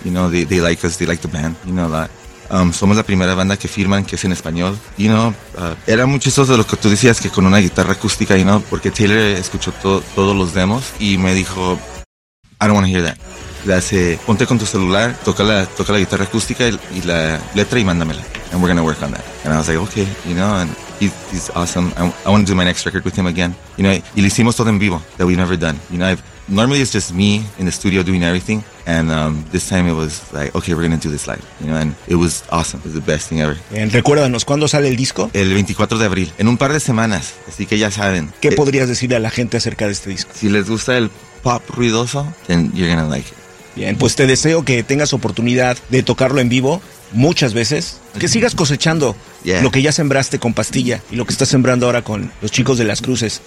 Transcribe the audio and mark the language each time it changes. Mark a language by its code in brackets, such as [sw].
[en] You know, they like us, they like the band, you know, a lot. [es] Somos la primera banda que firman que es en español. You know, era muy chistoso lo que tú decías, que con una guitarra acústica, you know, porque Taylor escuchó todos los demos y me dijo, [en] I don't want to hear that. [es] Le hace, ponte con tu celular, toca la guitarra acústica y la letra y mándamela. [en] And we're going to work on that. And I was like, okay, you know, and he's awesome. I want to do my next record with him again. You know, [es] y le hicimos todo en vivo [en] that we've never done. You know, normally it's just me in the studio doing everything. And this time it was like, okay, we're going to do this live. You know, and it was awesome. It was the best thing ever. [es] And recuérdanos, ¿cuándo sale el disco? El 24 de abril, en un par de semanas. Así que ya saben. ¿Qué podrías decirle a la gente acerca de este disco? Si les gusta el pop ruidoso, [en] then you're gonna like it. [es] Bien, pues te deseo que tengas oportunidad de tocarlo en vivo muchas veces, que sigas cosechando lo que ya sembraste con Pastilla y lo que estás sembrando ahora con los chicos de Las Cruces.